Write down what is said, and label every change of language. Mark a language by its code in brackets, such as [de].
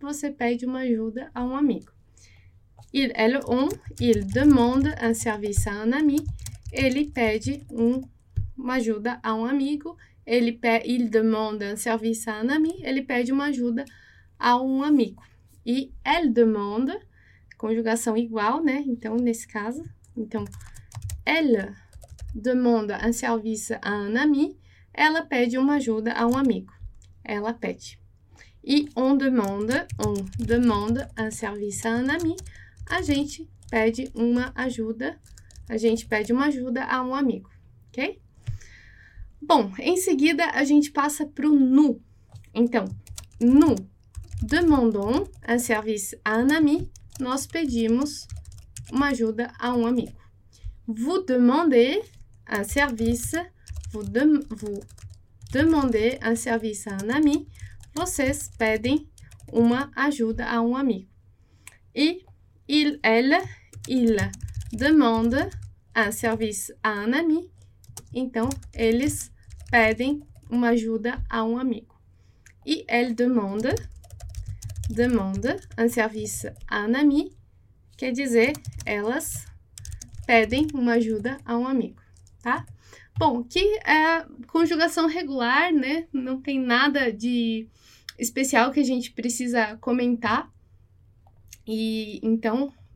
[pt] Você pede uma ajuda a um amigo. [fr] Il demande un service à un ami. [pt] Ele pede uma ajuda a um amigo. [fr] Il demande un service à un ami. [pt] Ele pede uma ajuda a um amigo. E [fr] elle demande, [pt] conjugação igual, né? Então, nesse caso. [fr] Então, elle demande un service à un ami. [pt] Ela pede uma ajuda a um amigo. Ela pede. [fr] E on demande un service à un ami. [pt] A gente pede uma ajuda. A gente pede uma ajuda a um amigo. Ok? Bom, em seguida, a gente passa para o nous. [fr] Então, nous demandons un service à un ami. [pt] Nós pedimos uma ajuda a um amigo. [fr] Vous demandez un service. Vous demandez un service à un ami. [pt] Vocês pedem uma ajuda a um amigo. [fr] E il demande un service à un ami. [pt] Então, eles pedem uma ajuda a um amigo. [fr] E elle demande un service à un ami. [pt] Quer dizer, elas pedem uma ajuda a um amigo, tá? Bom, que é conjugação regular, né? Não tem nada de especial que a gente precisa comentar. E então,